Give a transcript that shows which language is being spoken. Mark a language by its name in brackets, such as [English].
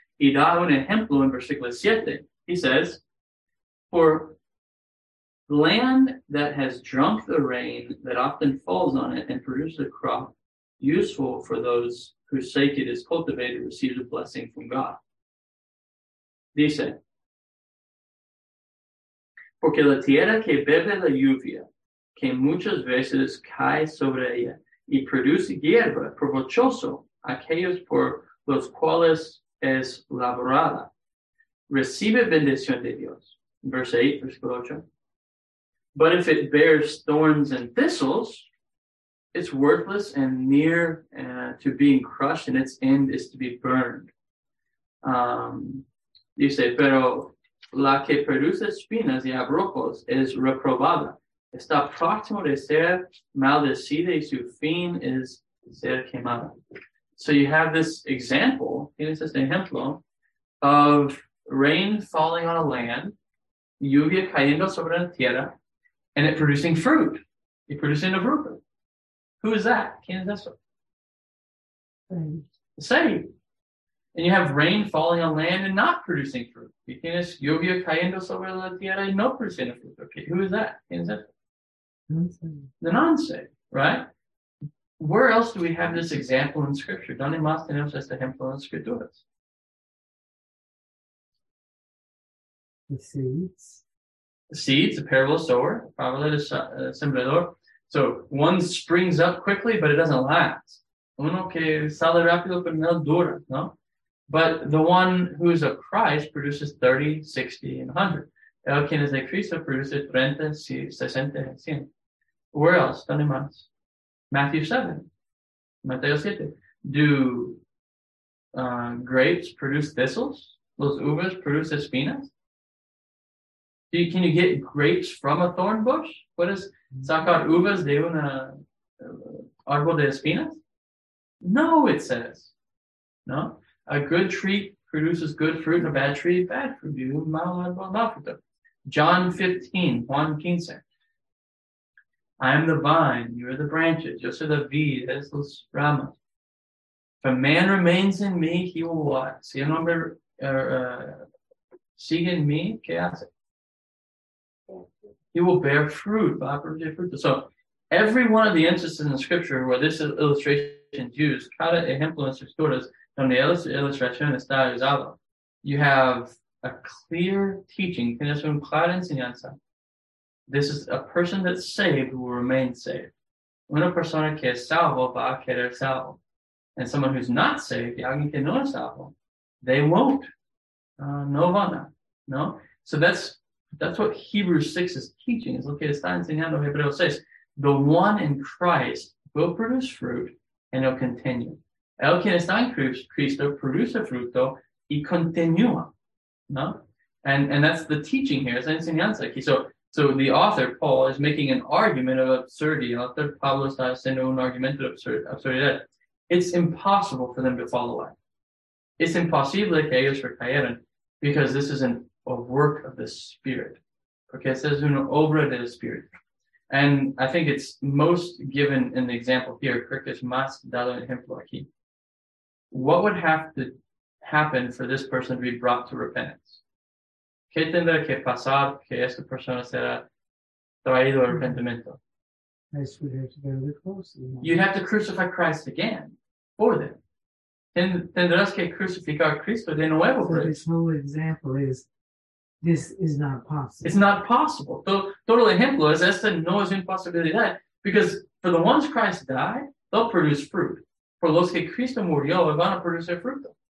[Spanish] Y da un ejemplo en versículo 7. [English] He says, for land that has drunk the rain that often falls on it and produces a crop useful for those whose sake it is cultivated receives a blessing from God. [Spanish] Dice, porque la tierra que bebe la lluvia, que muchas veces cae sobre ella, y produce hierba provechoso aquellos por los cuales es laborada, recibe bendición de Dios. [English] Verse 8, [Spanish] versículo 8. [English] But if it bears thorns and thistles, it's worthless and near to being crushed, and its end is to be burned. [Spanish] Dice, pero la que produce espinas y abrojos es reprobada. Está próximo de ser maldecida y su fin es ser quemada. [English] So you have this example, [Spanish] tienes este ejemplo, [English] of rain falling on a land, [Spanish] lluvia cayendo sobre la tierra, [English] and it producing fruit. It producing a fruit. Who is that? [Spanish] ¿Quién es eso? [English] Saved. And you have rain falling on land and not producing fruit. [Spanish] ¿Tienes lluvia cayendo sobre la tierra y no [English] producing a fruit? Okay, who is that? [Spanish] ¿Quién es eso? [English] The non-saved, right? Where else do we have this example in Scripture? [Spanish] ¿Dónde más tenemos este ejemplo en Escrituras? [English] The seeds. The seeds, a parable of the sower, a parable of the sembrador. So one springs up quickly, but it doesn't last. [Spanish] Uno que sale rápido, pero no dura, ¿no? [English] But the one who is of Christ produces 30, 60, and 100. [Spanish] El quien es de Cristo produce 30, 60, 100. [English] Where else? [Spanish] ¿Dónde más? Matthew 7. Mateo 7. [English] Do grapes produce thistles? [Spanish] ¿Los uvas produce espinas? [English] Can you get grapes from a thorn bush? What is [Spanish] sacar uvas de una árbol de espinas? [English] No, it says. No? A good tree produces good fruit, and a bad tree, bad fruit. [Spanish] Mal árbol, mal fruto. John 15, Juan 15. [English] I am the vine, you are the branches, [Spanish] yo soy la vid, es los ramas. [English] If a man remains in me, he will what? [Spanish] Si un hombre sigue en mí, ¿qué hace? [English] He will bear fruit, [Spanish] va a producir fruto. [English] So, every one of the instances in the scripture where this illustration is used, [Spanish] cada ejemplo en las escrituras donde la ilustración está usada, [English] you have a clear teaching, [Spanish] tienes un claro enseñanza. [English] This is a person that's saved who will remain saved. [Spanish] Una persona que es salvo va a quedar salvo. [English] And someone who's not saved, [Spanish] alguien que no es salvo, [English] they won't. [Spanish] No van a. [English] No? So that's what Hebrews 6 is teaching. [Spanish] Es lo que está enseñando Hebreos 6. [English] The one in Christ will produce fruit and it'll continue. [Spanish] El que está en Cristo produce fruto y continúa. No? [English] And that's the teaching here. [Spanish] Es la enseñanza aquí. So, [English] So the author, Paul, is making an argument of absurdity. [Spanish] Author Pablo está haciendo un argumento de absurdidad. [English] It's impossible for them to fall away. It's impossible [Spanish] que ellos recayeran [English] because this isn't a work of the Spirit. [Spanish] Porque esta es una obra del Espíritu. [English] And I think it's most given in the example here. Kirk is [Spanish] más dado el ejemplo aquí. [English] What would have to happen for this person to be brought to repentance? [Spanish] ¿Qué tendrá que pasar que esta persona será traído al arrepentimiento? [English] Christ would have to go to the cross. You'd have to crucify Christ again for them. [Spanish] Tendrás que crucificar Cristo de nuevo. [English] So this whole example is, this is not possible. It's not possible. [Spanish] Todo el ejemplo es, esta no es imposibilidad. [English] Because for the ones Christ died, they'll produce fruit. [Spanish] Por los que Cristo murió, van a producir fruto.